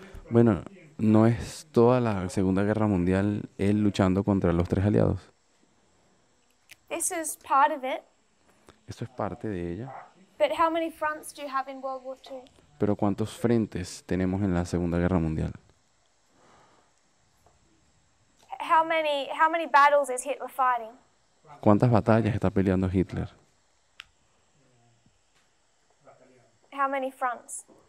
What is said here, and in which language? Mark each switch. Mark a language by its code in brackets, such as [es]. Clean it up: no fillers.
[es] Bueno, ¿no es toda la Segunda Guerra Mundial él luchando contra los tres aliados? [en] This is part of it. [es] Esto es parte de ella. [en] But how many fronts do you have in World War II? [es] Pero ¿cuántos frentes tenemos en la Segunda Guerra Mundial? [en] How many battles is Hitler fighting? [es] ¿Cuántas batallas está peleando Hitler? [en] How many fronts?